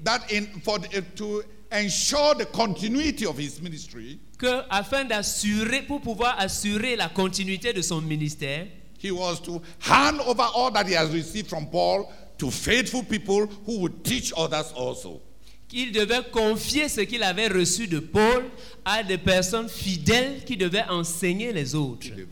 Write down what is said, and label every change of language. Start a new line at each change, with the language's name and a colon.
English: that in for the, to ensure the continuity of his ministry,
French: que afin d'assurer, pour pouvoir assurer la continuité de son ministère,
English: he was to hand over all that he has received from Paul to faithful people who would teach others also.
French: Il devait confier ce qu'il avait reçu de Paul à des personnes fidèles qui devaient enseigner les autres.